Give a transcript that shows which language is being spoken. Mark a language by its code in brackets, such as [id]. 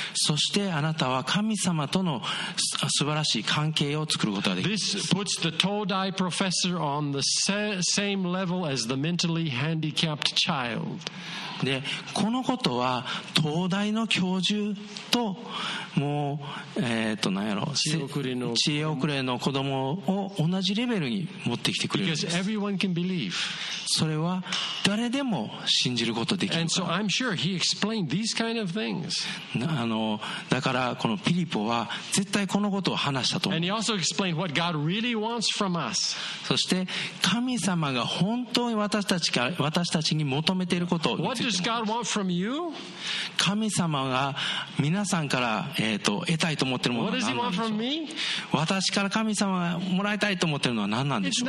[ja] そしてあなたは神様との素晴らしい関係を作ることができる。 [en] This puts the Todai professor on the same level as the mentally handicapped child. [ja] でこのことは東大の教授と、もう、何やろ、知恵遅れの子供を同じレベルに持ってきてくれるんです。 [en] Because everyone can believe. [ja] それは誰でも信じることができる。 [en] And so I'm sure he explained these kind of things. [ja] だからこのピリポは絶対このことを話したと思う。 [en] And he also explained what God really wants from us. [ja] そして神様が本当に私たちに求めていることを。 [en] What does God want from you? [ja] 神様が皆さんから得たいと思っているものは何なんでしょう。 [en] What does he want from me? [ja] 私から神様がもらいたいと思っているのは何なんでしょう。